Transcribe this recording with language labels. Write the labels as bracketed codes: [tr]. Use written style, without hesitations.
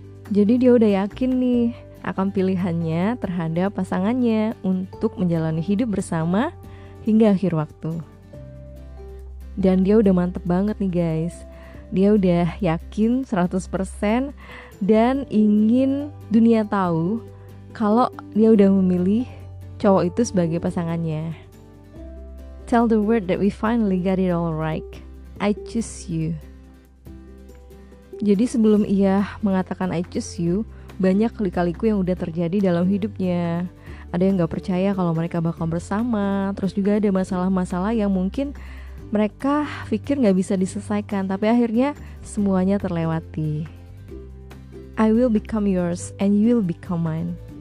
[id] Jadi dia udah yakin nih akan pilihannya terhadap pasangannya untuk menjalani hidup bersama hingga akhir waktu. Dan dia udah mantep banget nih guys. Dia udah yakin 100% dan ingin dunia tahu kalau dia udah memilih cowok itu sebagai pasangannya. [en] Tell the world that we finally got it all right. I choose you. [id] Jadi sebelum ia mengatakan [en] I choose you, [id] banyak lika-liku yang udah terjadi dalam hidupnya. Ada yang gak percaya kalau mereka bakal bersama. Terus juga ada masalah-masalah yang mungkin mereka pikir gak bisa diselesaikan. Tapi akhirnya semuanya terlewati. [en] I will become yours and you will become mine.